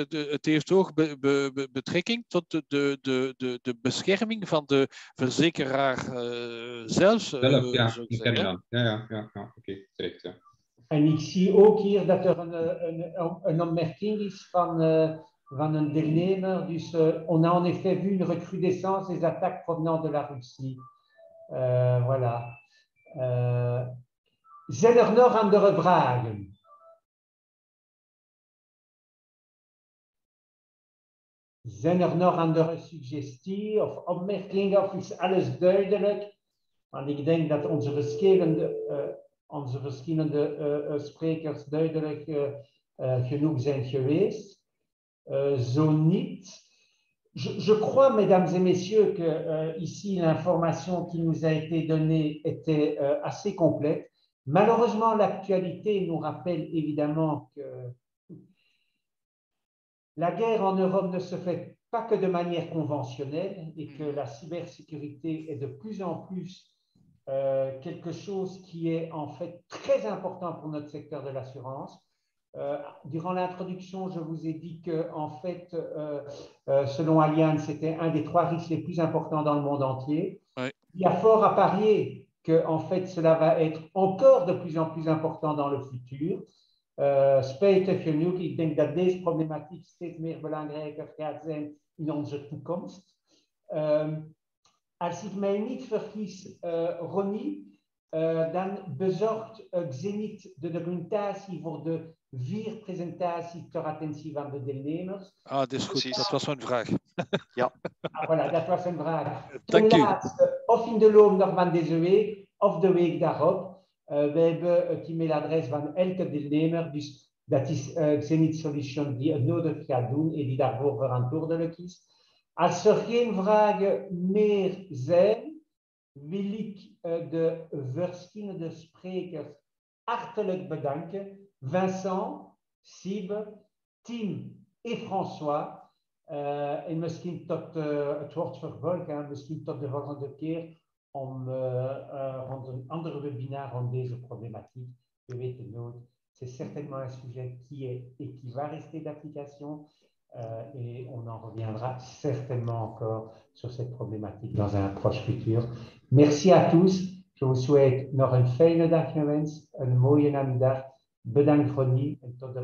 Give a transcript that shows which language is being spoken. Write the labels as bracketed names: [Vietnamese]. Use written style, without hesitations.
[Dutch] Het heeft ook betrekking tot de bescherming van de verzekeraar zelf. Oké, terecht, ja. En ik zie ook hier dat er een opmerking is van een deelnemer. [French] Dus on a en effet vu une recrudescence des attaques provenant de la Russie. Voilà. [Dutch] Zijn er nog andere vragen? Zijn er nog andere suggesties of opmerkingen? Of is alles duidelijk? Want ik denk dat onze verschillende... onze verschillende sprekers duidelijk genoeg zijn geweest. Zo niet. [French] Je crois, mesdames et messieurs, que ici l'information qui nous a été donnée était assez complète. Malheureusement, l'actualité nous rappelle évidemment que la guerre en Europe ne se fait pas que de manière conventionnelle et que la cybersécurité est de plus en plus quelque chose qui est en fait très important pour notre secteur de l'assurance. Durant l'introduction, je vous ai dit que, en fait, selon Allianz, c'était un des trois risques les plus importants dans le monde entier. Oui. Il y a fort à parier que, en fait, cela va être encore de plus en plus important dans le futur. [Dutch] Spéter für nu, ik denk dat deze problématique steeds meer belangrijker gaat zijn in onze toekomst. Als ik mij niet vergis, Ronnie, dan bezorgt Zenith de documentatie voor de vier presentaties ter attentie van de deelnemers. Ah, dat is goed. Dat was mijn vraag. Ja. Ah, voilà, dat was een vraag. Dank u. Of in de loop nog van deze week, of de week daarop. We hebben het e-mailadres van elke deelnemer. Dus dat is Zenith Solution die het nodig gaat doen en die daarvoor verantwoordelijk is. Als er geen vragen meer zijn, wil ik de verschillende sprekers hartelijk bedanken. Vincent, Sib, Tim en François. En misschien tot het woord vervolg, misschien tot de volgende keer om rond een andere webinar rond deze problematiek. Je weet het nooit. [French] C'est certainement un sujet qui est et qui va rester d'application. Et on en reviendra certainement encore sur cette problématique dans un proche futur. Merci à tous. Je vous souhaite [Dutch] nog een fijne dag, jongens. Een mooie namiddag. Bedankt, Ronnie. En tot de volgende keer.